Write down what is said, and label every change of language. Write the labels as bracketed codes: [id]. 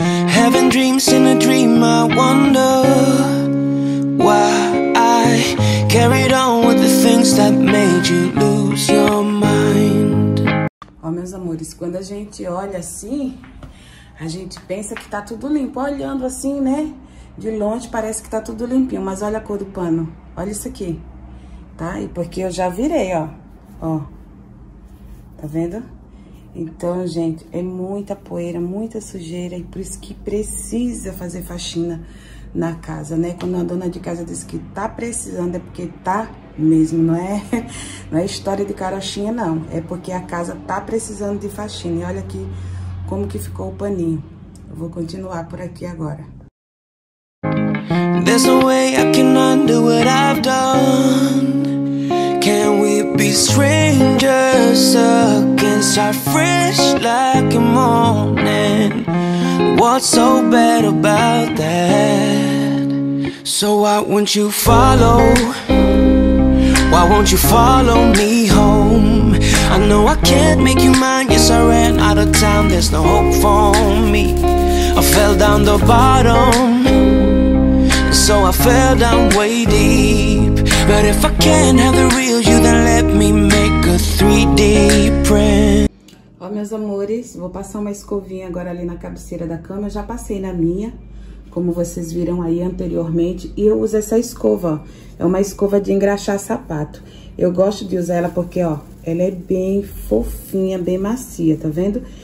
[en] Having dreams in a dream, I wonder why I carried on with the things that made you lose your mind. [pt] Ó, meus amores, quando a gente olha assim, a gente pensa que tá tudo limpo. Olhando assim, né? De longe parece que tá tudo limpinho, mas olha a cor do pano. Olha isso aqui. Tá? E porque eu já virei, ó. Ó. Tá vendo? Então, gente, é muita poeira, muita sujeira, e por isso que precisa fazer faxina na casa, né? Quando a dona de casa diz que tá precisando, é porque tá mesmo, não é história de carochinha, não. É porque a casa tá precisando de faxina. E olha aqui como que ficou o paninho. Eu vou continuar por aqui agora. [en] There's no way I can undo what I've done. Can we be strangers again? Start fresh like a morning. What's so bad about that? So why won't you follow? Why won't you follow me home? I know I can't make you mine. Yes, I ran out of time. There's no hope for me. I fell down the bottom, so I fell down way deep. But if I can't have the real you, then let me make a 3D print. [pt] Ó, meus amores, vou passar uma escovinha agora ali na cabeceira da cama. Eu já passei na minha, como vocês viram aí anteriormente. E eu uso essa escova, ó. É uma escova de engraxar sapato. Eu gosto de usar ela porque, ó, ela é bem fofinha, bem macia, tá vendo?